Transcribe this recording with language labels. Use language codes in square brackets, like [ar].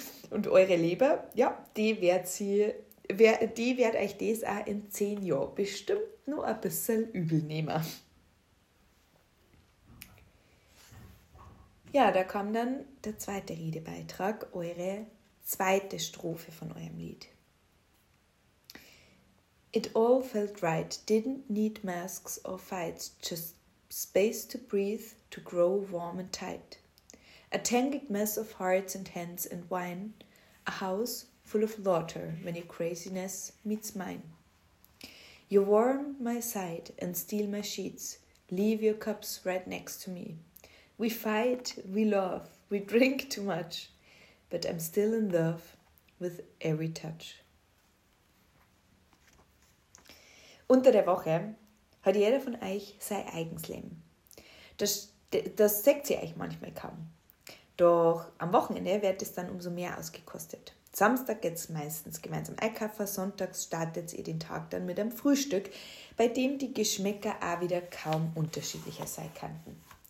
[de] Und eure Leber, ja, die wird euch das auch in 10 Jahren bestimmt nur ein bisschen übel nehmen. Ja, da kam dann der zweite Redebeitrag, eure zweite Strophe von eurem Lied. [en] It all felt right, didn't need masks or fights, just space to breathe, to grow warm and tight. A tangled mess of hearts and hands and wine, a house full of laughter when your craziness meets mine. You warm my side and steal my sheets, leave your cups right next to me. We fight, we love, we drink too much, but I'm still in love with every touch. [de] Unter der Woche hat jeder von euch sein eigenes Leben. Das sagt sie euch manchmal kaum. Doch am Wochenende wird es dann umso mehr ausgekostet. Samstag geht es meistens gemeinsam einkaufen, sonntags startet ihr den Tag dann mit einem Frühstück, bei dem die Geschmäcker auch wieder kaum unterschiedlicher sein könnten.